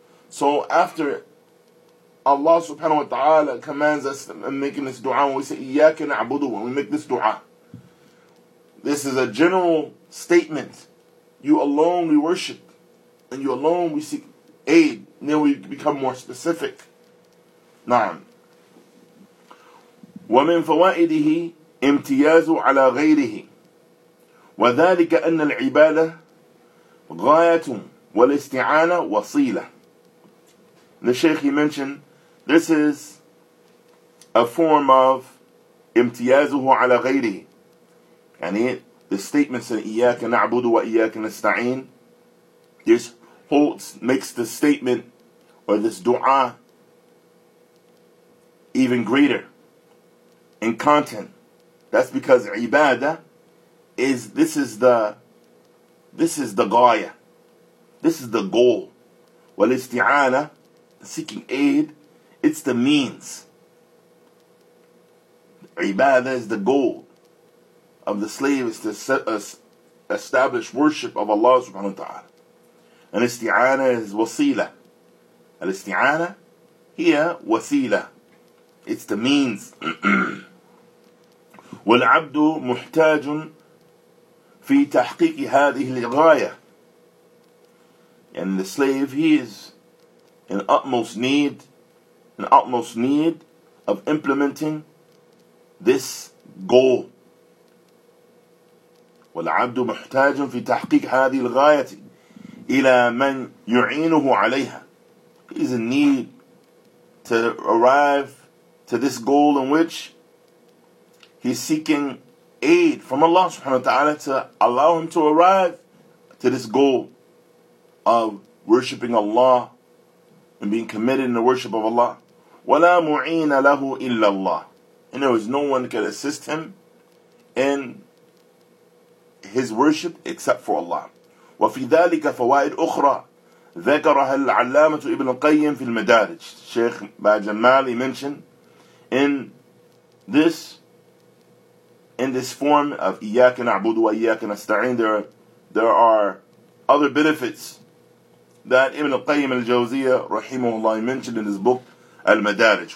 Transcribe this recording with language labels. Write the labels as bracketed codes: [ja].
[en] So after Allah subhanahu wa ta'ala commands us in making this dua, when we say [ar] إِيَّاكَ نَعْبُدُ, [en] when we make this dua, this is a general statement. You alone we worship, and you alone we seek aid. Now we become more specific. [ar] نعم. ومن فوائده امتيازه على غيره وذلك أن العبادة غاية والاستعانة وصيلة. [en] The Shaykh, he mentioned this is a form of [ar] امتيازه على غيره. [en] يعني the statements in [ar] إياك نعبد وإياك نستعين, [en] this holds, makes the statement or this dua even greater in content. That's because ibadah is, this is the gaya, this is the goal. Wal isti'ana, seeking aid, it's the means. Ibadah is the goal of the slave, is to set us, establish worship of Allah subhanahu wa ta'ala. And isti'ana is wasila. [ar] الاستعانة هي وسيلة, [en] it's the means. [ar] والعبد محتاج في تحقيق هذه الغاية. [en] And the slave, he is in utmost need of implementing this goal. [ar] والعبد محتاج في تحقيق هذه الغاية إلى من يعينه عليها. [en] He's in need to arrive to this goal in which he's seeking aid from Allah subhanahu wa ta'ala to allow him to arrive to this goal of worshipping Allah and being committed in the worship of Allah. [ar] وَلَا مُعِينَ لَهُ إِلَّا اللَّهِ. [en] And there is no one can assist him in his worship except for Allah. [ar] وَفِي ذَلِكَ فَوَائِدْ أُخْرَى ذكرها العلامة ابن القيم في المدارج. [en] الشيخ باجمالي mentioned in this form of [ar] إياك نعبد وإياك نستعين, [en] there are other benefits that ابن القيم الجوزية رحمه الله mentioned in his book المدارج.